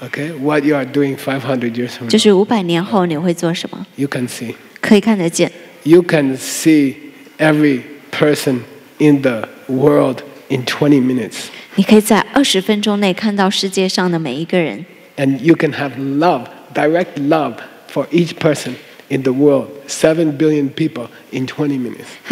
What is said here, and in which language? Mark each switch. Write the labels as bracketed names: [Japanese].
[English] Okay, what you are doing 500 years from now. [Chinese] 就是500年后你会做什么? [English] You can see. [Chinese] 可以看得见. [English] You can see every person in the world in 20 minutes. [Chinese] 你可以在20分钟内看到世界上的每一个人。 [English] And you can have love, direct love for each person in the world, 7 billion people in 20 minutes.